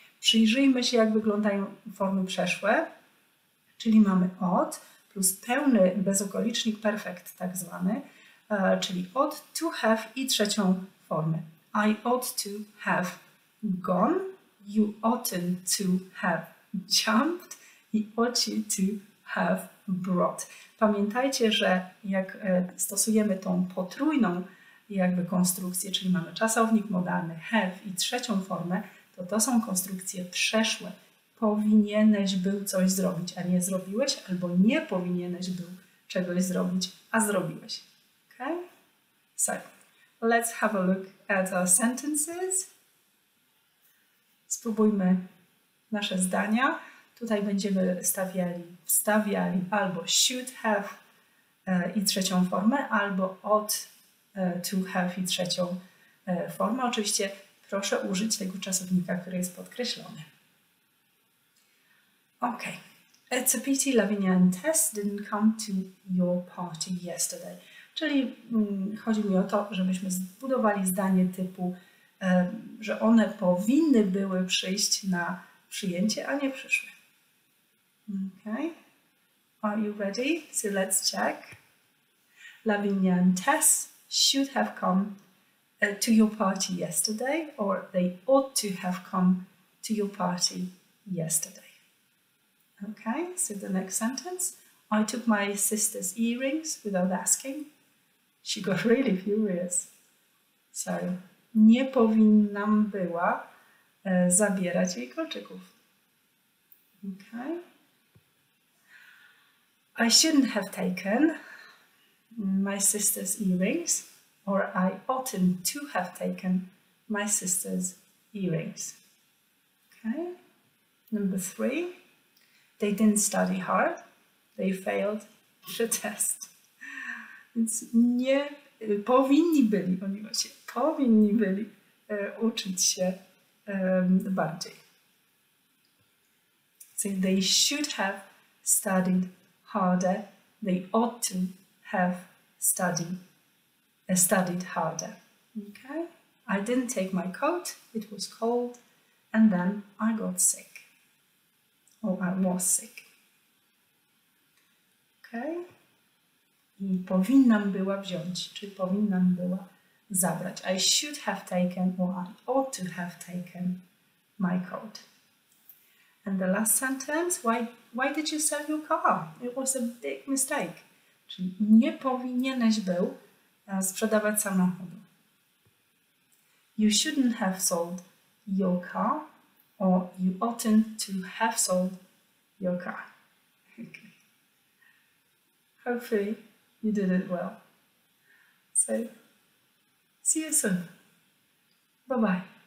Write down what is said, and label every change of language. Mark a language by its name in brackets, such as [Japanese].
[Polish] Przyjrzyjmy się, jak wyglądają formy przeszłe, czyli mamy ought plus pełny bezokolicznik perfect tak zwany, czyli ought to have i trzecią formę. [English] I ought to have gone, you oughtn't to have jumped, i ought you to have brought. [Polish] Pamiętajcie, że jak stosujemy tą potrójną jakby konstrukcję, czyli mamy czasownik modalny, have i trzecią formę, to są konstrukcje przeszłe. Powinieneś był coś zrobić, a nie zrobiłeś, albo nie powinieneś był czegoś zrobić, a zrobiłeś. Ok? [English] So, let's have a look at our sentences. [Polish] Spróbujmy nasze zdania. Tutaj będziemy wstawiali albo should have i trzecią formę, albo ought to have i trzecią formę. Oczywiście proszę użyć tego czasownika, który jest podkreślony. Ok. [English] It's a pity Lavinia and Tess didn't come to your party yesterday. [Polish] Czyli chodzi mi o to, żebyśmy zbudowali zdanie typu, że one powinny były przyjść na przyjęcie, a nie przyszły. [English] Okay, are you ready? So let's check. Lavinia and Tess should have come to your party yesterday, or they ought to have come to your party yesterday. Okay, so the next sentence. I took my sister's earrings without asking. She got really furious. [Polish] So, nie powinnam była zabierać jej kolczyków. [English] Okay. I shouldn't have taken my sister's earrings, or I oughtn't to have taken my sister's earrings. Okay. Number three, they didn't study hard, they failed the test. [Polish] Więc nie powinni byli, oni właśnie powinni byli uczyć się bardziej. [English] So they should have studied harder, they ought to have studied harder. Okay? I didn't take my coat, it was cold, and then I got sick. Or I was sick. Okay? [Polish] I powinnam była wziąć, czy powinnam była zabrać. [English] I should have taken, or I ought to have taken my coat. And the last sentence, why did you sell your car? It was a big mistake. [Polish] Czyli nie powinieneś był sprzedawać samochodu. [English] You shouldn't have sold your car, or you oughtn't to have sold your car. Okay. Hopefully you did it well. So, see you soon. Bye-bye.